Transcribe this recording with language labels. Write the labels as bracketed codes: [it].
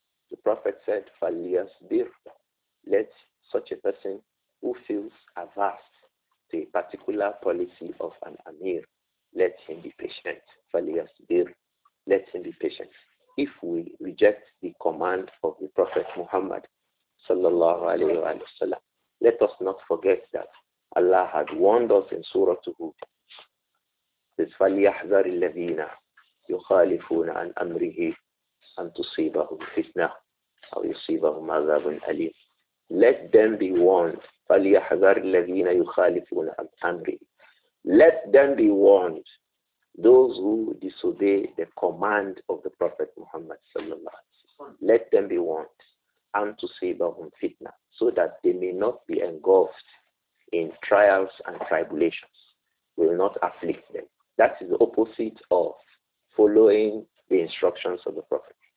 [en] The Prophet said, falyasbir, let such a person who feels averse to a particular policy of an Amir, let him be patient. Falyasbir, let him be patient. If we reject the command of the Prophet Muhammad sallallahu alayhi wa sallam, let us not forget that Allah had warned us in Surah Tuhud. [ar] This فليحذر الذين يخالفون عن أمره أن تصيبهم فتنة أو يصيبهم عذاب أليم. [en] Let them be warned. [ar] فليحذر الذين يخالفون عن أمره. [en] Let them be warned. Those who disobey the command of the Prophet Muhammad صلى الله عليه وسلم. Let them be warned. [ar] أن تصيبهم فتنة. [en] So that they may not be engulfed in trials and tribulations. Will not afflict them. That is the opposite of following the instructions of the Prophet.